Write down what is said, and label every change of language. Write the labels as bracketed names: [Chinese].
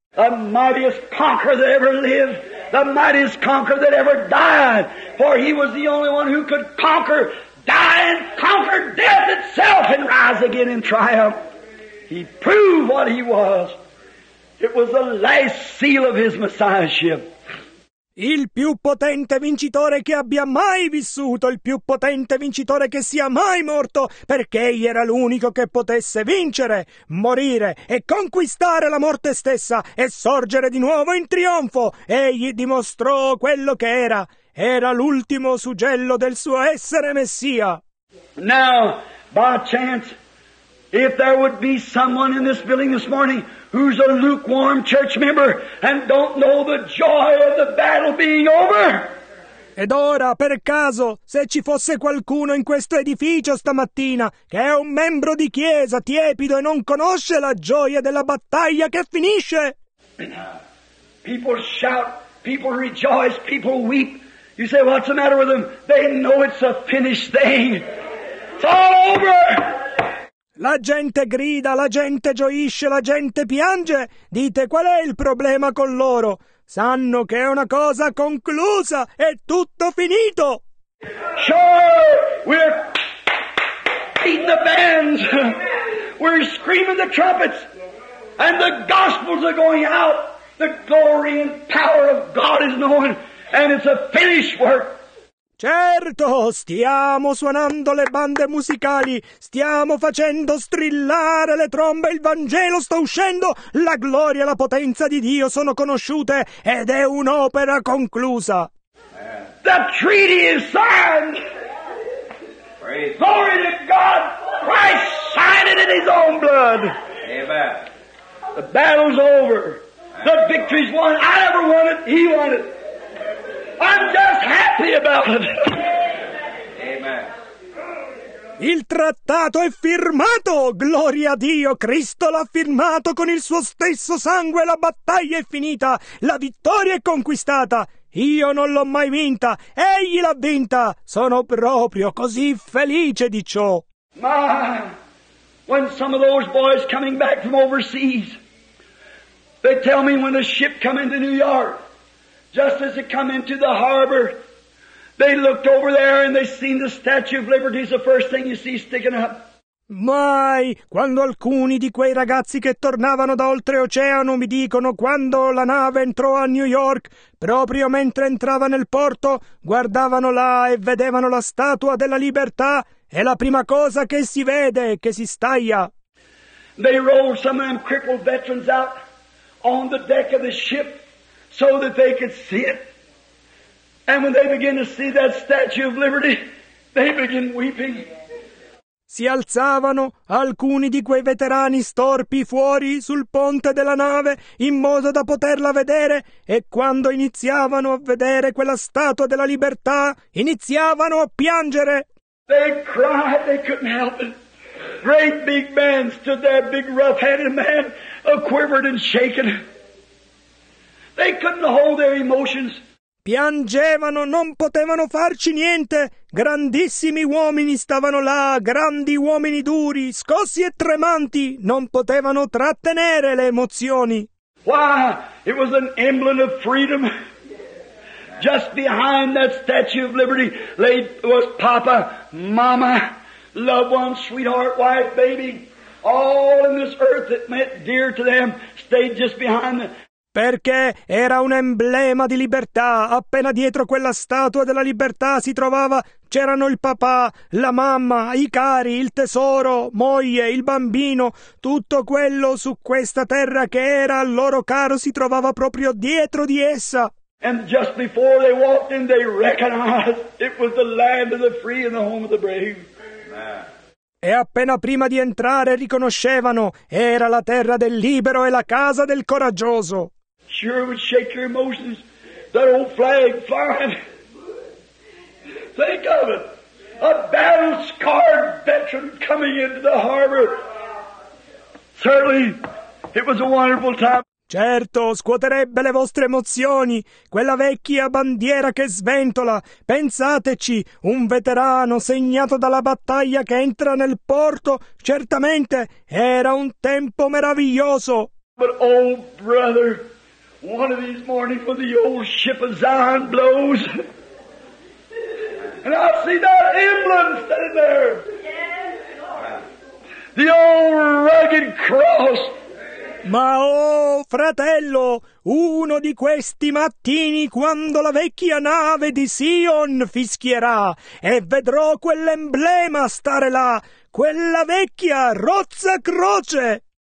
[English] The mightiest conqueror that ever lived, the mightiest conqueror that ever died, for he was the only one who could conquer, die and conquer death itself and rise again in triumph. He proved what he was. It was the last seal of his messiahship. [Italian] Il più potente vincitore che abbia mai vissuto, il più potente vincitore che sia mai morto, perché egli era l'unico che potesse vincere, morire e conquistare la morte stessa e sorgere di nuovo in trionfo. Egli dimostrò quello che era. Era l'ultimo suggello del suo essere Messia. [English] Now, by chance, if there would be someone in this building this morning who's a lukewarm church member and don't know the joy of the battle being over. [Italian] Ed ora, per caso, se ci fosse qualcuno in questo edificio stamattina che è un membro di chiesa tiepido e non conosce la gioia della battaglia che finisce. [English] People shout, people rejoice, people weep. You say, what's the matter with them? They know it's a finished thing. It's all over. [Italian] La gente grida, la gente gioisce, la gente piange. Dite, qual è il problema con loro? Sanno che è una cosa conclusa, è tutto finito. [English] Sure, we're beating the bands. We're screaming the trumpets. And the gospels are going out. The glory and power of God is known. And it's a finished work. [Italian] Certo, stiamo suonando le bande musicali, stiamo facendo strillare le trombe, il Vangelo sta uscendo, la gloria e la potenza di Dio sono conosciute ed è un'opera conclusa. [English] The treaty is signed! Praise glory to God! Christ signed it in his own blood! Amen. The battle's over. The victory's won. I never won it. He won it. I'm just happy about it. Amen. [Italian] Il trattato è firmato! Gloria a Dio! Cristo l'ha firmato con il suo stesso sangue! La battaglia è finita! La vittoria è conquistata! Io non l'ho mai vinta! Egli l'ha vinta! Sono proprio così felice di ciò! [English] Ma, when some of those boys coming back from overseas, they tell me when the ship come into New York, just as it come into the harbor, they looked over there and they seen the Statue of Liberty is the first thing you see sticking up. [Italian] Mai, quando alcuni di quei ragazzi che tornavano da oltreoceano mi dicono quando la nave entrò a New York, proprio mentre entrava nel porto, guardavano là e vedevano la Statua della Libertà, è la prima cosa che si vede e che si staglia. [English] They rolled some of them crippled veterans out on the deck of the ship, so that they could see it. And when they begin to see that Statue of Liberty, they begin weeping. [Italian] Si alzavano alcuni di quei veterani storpi fuori sul ponte della nave in modo da poterla vedere, e quando iniziavano a vedere quella Statua della Libertà, iniziavano a piangere. [English] They cried, they couldn't help it. Great big man stood there, big rough-headed man, a quivered and shaken. They couldn't hold their emotions. [Italian] Piangevano, non potevano farci niente. Grandissimi uomini stavano là, grandi uomini duri, scossi e tremanti. Non potevano trattenere le emozioni. [English] Why? It was an emblem of freedom. Just behind that Statue of Liberty lay was Papa, Mama, loved one, sweetheart, wife, baby. All in this earth that meant dear to them stayed just behind them. [Italian] Perché era un emblema di libertà. Appena dietro quella Statua della Libertà si trovava, c'erano il papà, la mamma, i cari, il tesoro, moglie, il bambino, tutto quello su questa terra che era loro caro si trovava proprio dietro di essa. [English] And just before they walked in, they recognized it was the land of the free and the home of the brave. Amen. [Italian] E appena prima di entrare riconoscevano, era la terra del libero e la casa del coraggioso. [English] Sure would shake your emotions, that old flag flying. Think of it, a battle-scarred veteran coming into the harbor. Certainly, it was a wonderful time. [Italian] Certo, scuoterebbe le vostre emozioni, quella vecchia bandiera che sventola. Pensateci, un veterano segnato dalla battaglia che entra nel porto, certamente era un tempo meraviglioso. [English] But oh brother, one of these mornings when the old ship of Zion blows, and I see that emblem standing there, the old rugged cross. [Italian] Ma oh, fratello, uno di questi mattini, quando la vecchia nave di Sion fischierà e vedrò quell'emblema stare là, quella vecchia rozza croce.